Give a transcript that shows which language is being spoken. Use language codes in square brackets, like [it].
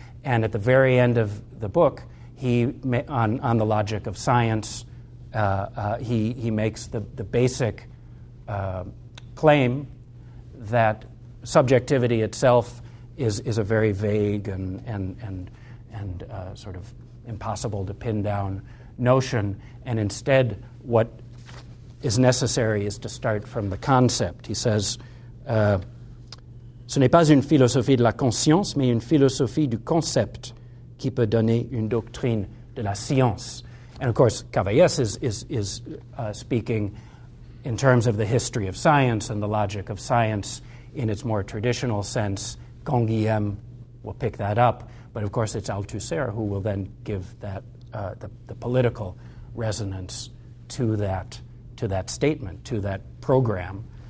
[en] And at the very end of the book, on the logic of science, he makes the basic claim that subjectivity itself is a very vague and sort of impossible to pin down notion, and instead what is necessary is to start from the concept. [fr] He says, ce n'est pas une philosophie de la conscience, mais une philosophie du concept qui peut donner une doctrine de la science. [en] And of course, Cavaillès is speaking in terms of the history of science and the logic of science in its more traditional sense. Canguilhem will pick that up, but of course it's Althusser who will then give that the political resonance to that statement, to that program.